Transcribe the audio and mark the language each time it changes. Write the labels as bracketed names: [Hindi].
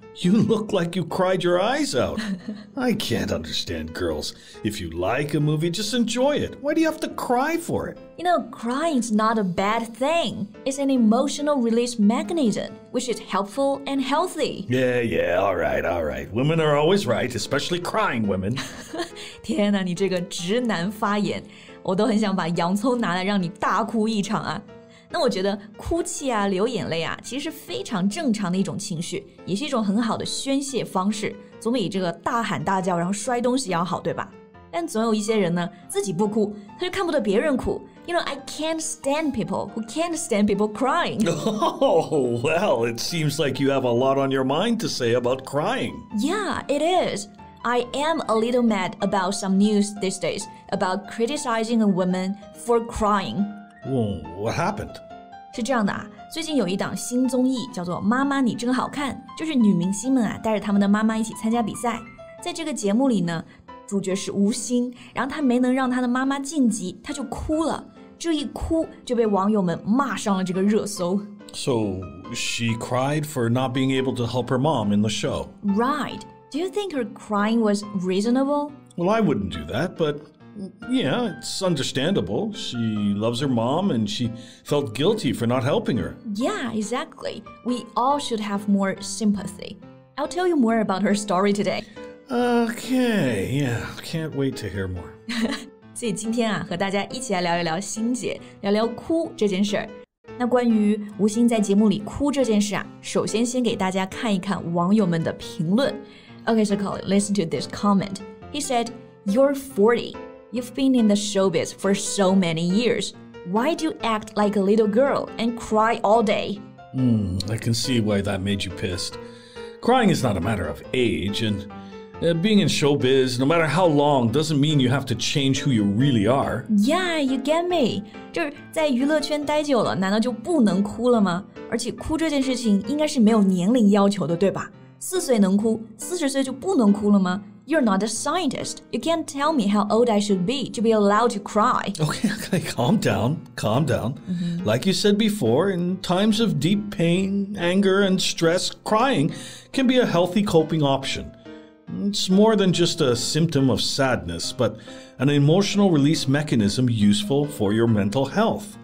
[English] You look like you cried your eyes out. I can't understand girls. If you like a movie, just enjoy it. Why do you have to cry for it? You know, crying's not a bad thing. It's an emotional release mechanism, which is helpful and healthy. Yeah, yeah, all right, all right. Women are always right, especially crying women. [Chinese] 天哪，你这个直男发言，我都很想把洋葱拿来让你大哭一场啊。那我觉得哭泣啊流眼泪啊其实是非常正常的一种情绪也是一种很好的宣泄方式总比这个大喊大叫然后摔东西要好对吧但总有一些人呢自己不哭他就看不得别人哭 [English] You know, I can't stand people who can't stand people crying. Oh, well, it seems like you have a lot on your mind to say about crying. Yeah, it is. I am a little mad about some news these days about criticizing a woman for crying. What happened? [Chinese] 是这样的啊，最近有一档新综艺叫做《妈妈你真好看》，就是女明星们啊带着她们的妈妈一起参加比赛。在这个节目里呢，主角是吴昕，然后她没能让她的妈妈晋级，她就哭了。这一哭就被网友们骂上了这个热搜。 [English] So she cried for not being able to help her mom in the show. Right. Do you think her crying was reasonable? Well, I wouldn't do that, but... Yeah, it's understandable. She loves her mom and she felt guilty for not helping her. Yeah, exactly. We all should have more sympathy. I'll tell you more about her story today. Okay, yeah, can't wait to hear more. [Chinese] 所以今天啊，和大家一起来聊一聊心结，聊聊哭这件事。那关于吴昕在节目里哭这件事啊，首先先给大家看一看网友们的评论。 [English] Okay, so Colin, listen to this comment. He said, you're 40. You've been in the showbiz for so many years. Why do you act like a little girl and cry all day? I can see why that made you pissed. Crying is not a matter of age, and being in showbiz, no matter how long, doesn't mean you have to change who you really are. Yeah, you get me. [Chinese] 就是在娱乐圈待久了，难道就不能哭了吗？而且哭这件事情应该是没有年龄要求的，对吧？四岁能哭，四十岁就不能哭了吗？ [English] You're not a scientist. You can't tell me how old I should be to be allowed to cry. Okay, calm down, calm down. Mm-hmm. Like you said before, in times of deep pain, anger, and stress, crying can be a healthy coping option. It's more than just a symptom of sadness, but an emotional release mechanism useful for your mental health.